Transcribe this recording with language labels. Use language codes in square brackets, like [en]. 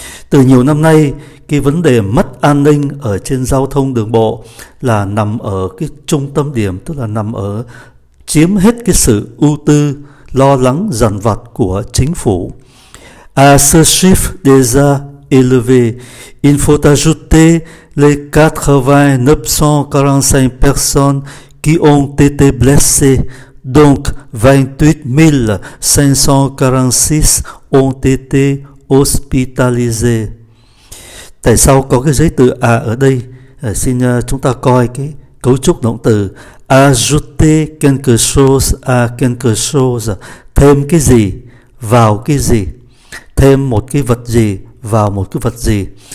[vi] Từ nhiều năm nay, cái vấn đề mất an ninh ở trên giao thông đường bộ là nằm ở cái trung tâm điểm, tức là nằm ở, chiếm hết cái sự ưu tư, lo lắng, dằn vặt của chính phủ. [fr] À ce chiffre déjà élevé. Il faut ajouter les 8945 personnes qui ont été blessées, donc 28546 ont été hospitalisés. [vi] Tại sao có cái giấy từ à ở đây? Xin chúng ta coi cái cấu trúc động từ [fr] ajouter quelque chose à quelque chose, [vi] thêm cái gì vào cái gì, thêm một cái vật gì vào một cái vật gì.